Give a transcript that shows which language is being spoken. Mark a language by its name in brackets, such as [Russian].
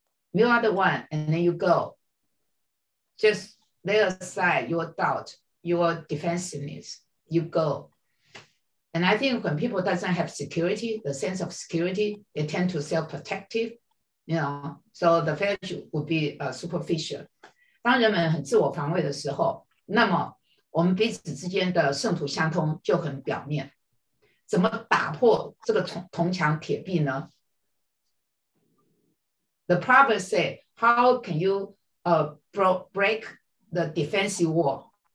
[English] You are the one, and then you go. Just lay aside your doubt, your defensiveness, you go. And I think when people doesn't have security, the sense of security, they tend to self-protective. You know, so the faith would be superficial. [Chinese] 当人们很自我防卫的时候，那么我们彼此之间的圣徒相通就很表面。怎么打破这个铜墙铁壁呢？ [English] The proverb say, "How can you break the defensive wall?"